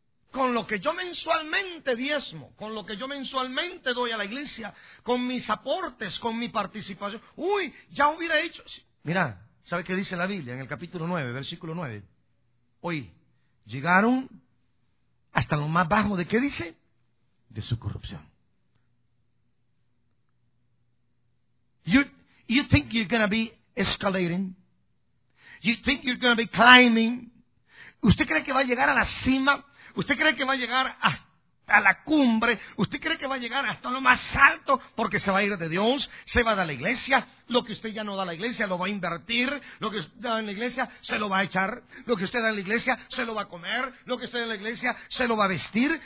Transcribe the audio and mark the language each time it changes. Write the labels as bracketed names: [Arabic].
[Spanish] Con lo que yo mensualmente diezmo, con lo que yo mensualmente doy a la iglesia, con mis aportes, con mi participación. ¡Uy! Ya hubiera hecho. Mira, ¿sabe qué dice la Biblia en el capítulo 9, versículo 9? Hoy llegaron hasta lo más bajo de, ¿qué dice? De su corrupción. [English] You think you're going to be escalating? You think you're going to be climbing? [Spanish] ¿Usted cree que va a llegar a la cima? ¿Usted cree que va a llegar hasta la cumbre? ¿Usted cree que va a llegar hasta lo más alto? Porque se va a ir de Dios, se va de la iglesia. Lo que usted ya no da a la iglesia lo va a invertir. Lo que usted da en la iglesia se lo va a echar. Lo que usted da en la iglesia se lo va a comer. Lo que usted da en la iglesia se lo va a vestir.